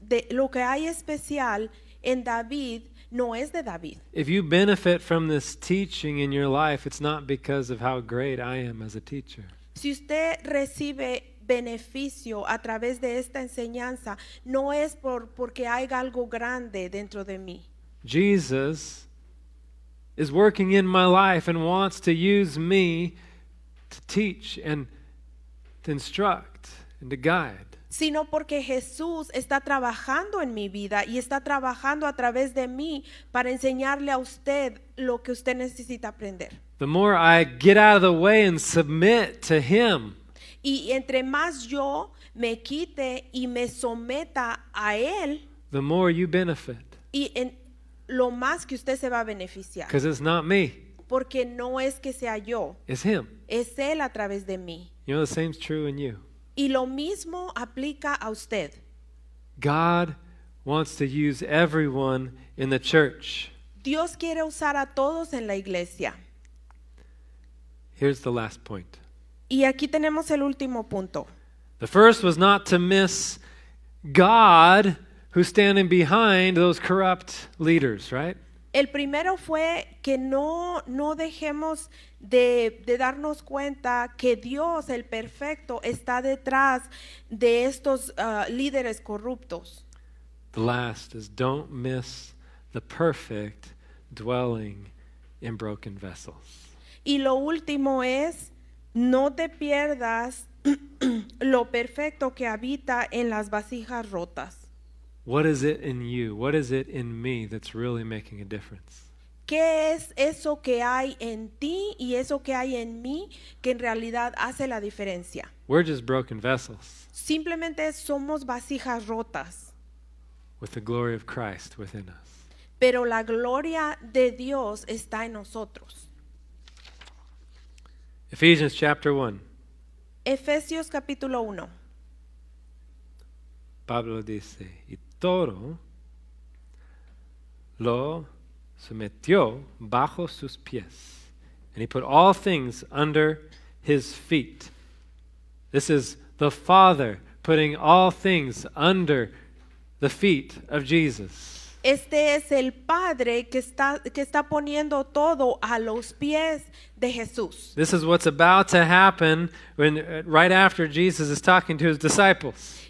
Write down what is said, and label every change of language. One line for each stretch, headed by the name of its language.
Spanish: Lo que hay especial en David no es de David.
English: If you benefit from this teaching in your life, it's not because of how great I am as a teacher.
Spanish: Si usted recibe beneficio a través de esta enseñanza, no es porque haya algo grande dentro de mí.
English: Jesus is working in my life and wants to use me to teach and to instruct and to guide.
Spanish: Sino porque Jesús está trabajando en mi vida y está trabajando a través de mí para enseñarle a usted lo que usted necesita aprender.
English: The more I get out of the way and submit to Him.
Spanish: Y entre más yo me quite y me someta a Él.
English: The more you benefit.
Spanish: Y en lo más que usted se va a beneficiar.
English: Because it's not me.
Spanish: Porque no es que sea yo.
English: It's Him.
Spanish: Es Él a través de mí.
English: You know, the same is true in you.
Spanish: Y lo mismo aplica a usted.
English: God wants to use everyone in the church.
Spanish: Dios quiere usar a todos en la iglesia.
English: Here's the last point.
Spanish: Y aquí tenemos el último punto.
English: The first was not to miss God who's standing behind those corrupt leaders, right?
Spanish: El primero fue que no dejemos de darnos cuenta que Dios, el perfecto, está detrás de estos líderes corruptos.
English: The last is don't miss the perfect dwelling in broken vessels.
Spanish: Y lo último es no te pierdas lo perfecto que habita en las vasijas rotas.
English: What is it in you? What is it in me that's really making a difference?
Spanish: ¿Qué es eso que hay en ti y eso que hay en mí que en realidad hace la diferencia?
English: We're just broken vessels.
Spanish: Simplemente somos vasijas rotas.
English: With the glory of Christ within us.
Spanish: Pero la gloria de Dios está en nosotros.
English: Ephesians chapter 1.
Spanish: Efesios capítulo 1. Pablo dice, y todo lo sometió bajo sus pies.
English: And he put all things under his feet. This is the Father putting all things under the feet of Jesus.
Spanish: Este es el Padre que está poniendo todo a los pies de Jesús.
English: This is what's about to happen when right after Jesus is talking to his disciples.